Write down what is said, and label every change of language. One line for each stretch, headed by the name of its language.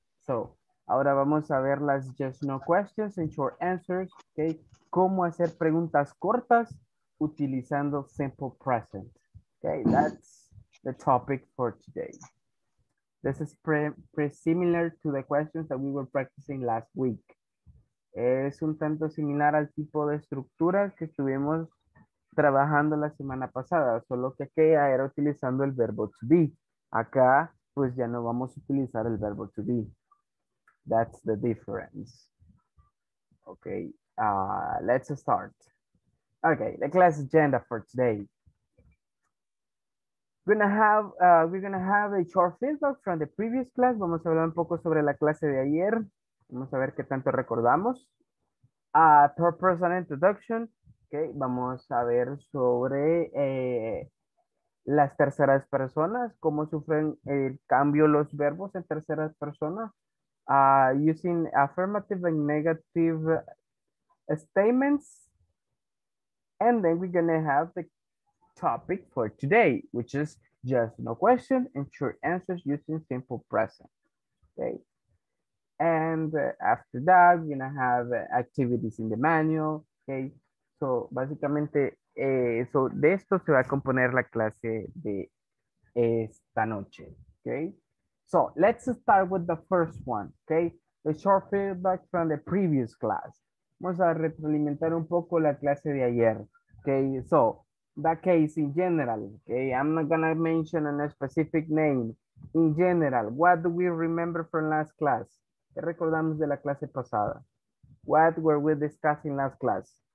English: So,
Spanish: ahora vamos a ver las
English: yes, no questions and short answers, okay?
Spanish: ¿Cómo hacer preguntas cortas utilizando simple present?
English: Okay, that's the topic for today. This is pretty similar to the questions that we were practicing last week.
Spanish: Es un tanto similar al tipo de estructuras que estuvimos trabajando la semana pasada, solo que aquella era utilizando el verbo to be. Acá, pues ya no vamos a utilizar el verbo to be.
English: That's the difference. Okay, let's start. Okay, the class agenda for today. We're gonna have a short feedback from the previous class.
Spanish: Vamos a hablar un poco sobre la clase de ayer. Vamos a ver qué tanto recordamos.
English: Third person introduction.
Spanish: Okay, vamos a ver sobre las terceras personas, cómo sufren el cambio los verbos en terceras personas.
English: Using affirmative and negative statements. And then we're gonna have the topic for today, which is just no question and short answers using simple present. Okay. And after that, we're gonna have activities in the manual. Okay.
Spanish: So básicamente, de esto se va a componer la clase de esta noche.
English: Okay. So let's start with the first one. Okay. The short feedback from the previous class.
Spanish: Vamos a retroalimentar un poco la clase de ayer.
English: Okay. So that case in general, okay, I'm not gonna mention a specific name. In general, what do we remember from last class?
Spanish: ¿Qué recordamos de la clase pasada?
English: What were we discussing last class?